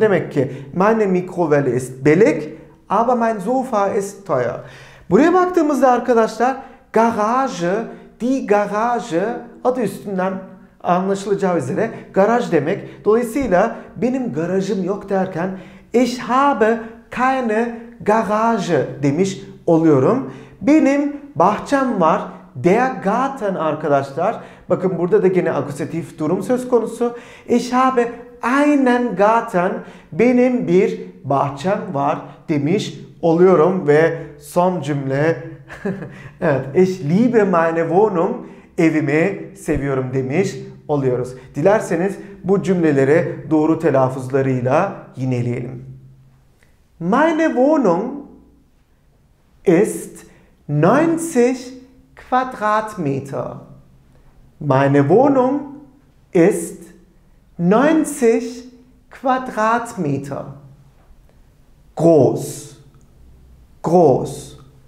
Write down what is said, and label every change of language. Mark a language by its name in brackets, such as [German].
[Turkish] Demek ki [German] meine Mikrowelle ist billig, aber mein Sofa ist teuer. [Turkish] Buraya baktığımızda arkadaşlar garajı, die garajı, adı üstünden anlaşılacağı üzere garaj demek. Dolayısıyla benim garajım yok derken [German] ich habe keine Garage [Turkish] demiş oluyorum. Benim bahçem var. Der Garten arkadaşlar. Bakın burada da gene akusatif durum söz konusu. [German] Ich habe einen Garten. [Turkish] Benim bir bahçem var demiş oluyorum. Ve son cümle. Evet. [German] Ich liebe meine Wohnung. [Turkish] Evimi seviyorum demiş oluyoruz. Dilerseniz bu cümleleri doğru telaffuzlarıyla yineleyelim. [German] Meine Wohnung ist 90 Quadratmeter. Meine Wohnung ist 90 Quadratmeter. Groß. Groß.